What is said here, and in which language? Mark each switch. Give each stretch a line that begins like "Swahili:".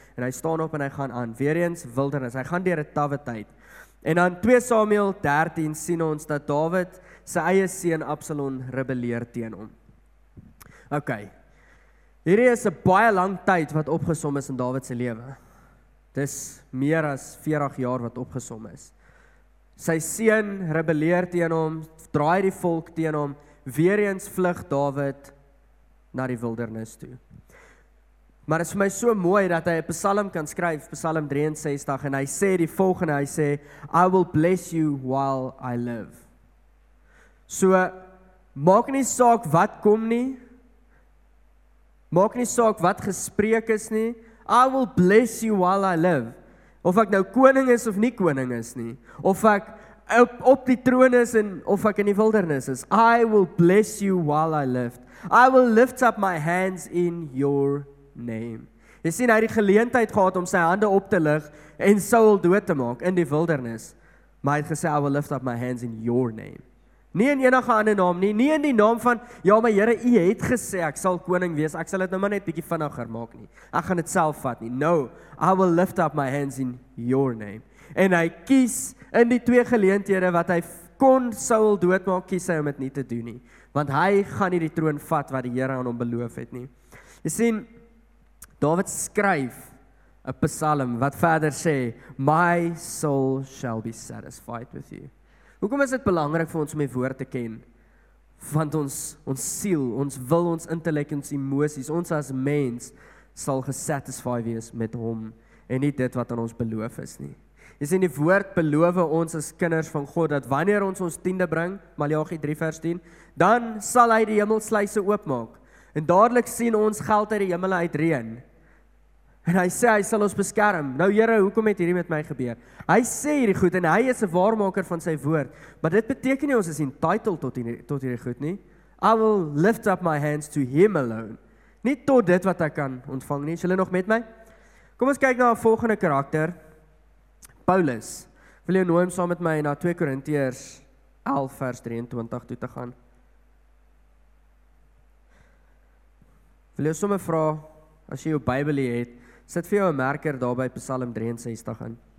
Afrikaans: En hy staan op en hy gaan aan. Weer eens wildernis, hy gaan deur 'n tawwe tyd. En dan 2 Samuel 13 sien ons dat David sy eie seun Absalom rebelleer teen hom. Ok, hierdie is 'n baie lang tyd wat opgesom is in David se lewe. Dis meer as 40 jaar wat opgesom is. Sy seun rebelleer teen hom, draai die volk teen hom, weer eens vlug David na die wildernis toe. Maar het is vir my so mooi dat hy 'n psalm kan skryf, psalm 63, en hy sê die volgende, hy sê,
English: I will bless you while I live.
Afrikaans: So, maak nie saak wat kom nie, maak nie saak wat gespreek is nie,
English: I will bless you while I live.
Afrikaans: Of ek nou koning is of nie koning is nie, of ek op die troon is en of ek in die wildernis is,
English: I will bless you while I live. I will lift up my hands in your name.
Afrikaans: Jy sien, hy het die geleentheid gehad om sy hande op te lig en Saul dood te maak in die wildernis. Maar hy het gesê,
English: I will lift up my hands in your name.
Afrikaans: Nie in enige ander naam nie, nie in die naam van, ja my Here, u het gesê, ek sal koning wees, ek sal dit nou maar net bietjie vinniger maak nie. Ek gaan dit self vat nie.
English: No, I will lift up my hands in your name.
Afrikaans: En hy kies in die twee geleenthede wat hy kon Saul dood maak, kies hy om dit nie te doen nie. Want hy gaan nie die troon vat wat die Here aan hom beloof het nie. Jy sien, David skryf 'n psalm wat verder sê,
English: My soul shall be satisfied with you.
Afrikaans: Hoekom is dit belangrik vir ons om die woord te ken? Want ons siel, ons wil, ons intellek, ons emosies, ons as mens sal gesatisfied wees met hom en nie dit wat aan ons beloof is nie. Jy sien, die woord beloof ons as kinders van God dat wanneer ons tiende bring, Malachi 3 vers 10, dan sal hy die hemelsluise oopmaak. En dadelik sien ons geld uit die hemel uit reën. En hy sê, hy sal ons beskerm. Nou Here, hoekom het hierdie met my gebeur? Hy sê hierdie goed en hy is 'n waarmaker van sy woord. Maar dit beteken nie ons is entitled tot hierdie goed nie.
English: I will lift up my hands to him alone.
Afrikaans: Nie tot dit wat ek kan ontvang nie. Is julle nog met my? Kom ons kyk na 'n volgende karakter. Paulus. Wil jy nooi hom saam met my na 2 Korintiërs 11 vers 23 toe te gaan? Wil jy sommer vra, as jy jou Bybelie het, sit vir jou 'n merker daar by Psalm 63 in.